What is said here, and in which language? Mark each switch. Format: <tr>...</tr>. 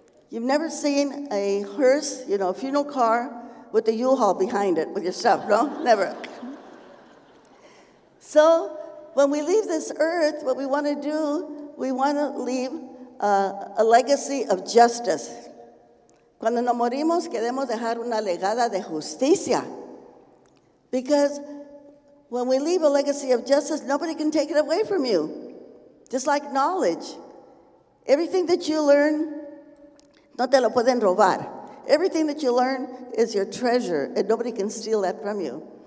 <en>You've never seen a hearse, you know, a funeral car with a U-Haul behind it with your stuff, no? Never. So when we leave this earth, what we want to do, we want to leave a legacy of justice.</en> <es>Cuando nos morimos, queremos dejar una legada de justicia.</es> <en>Because when we leave a legacy of justice, nobody can take it away from you. Just like knowledge. Everything that you learn,</en> <es>no te lo pueden robar.</es> <en>Everything that you learn is your treasure, and nobody can steal that from you.</en>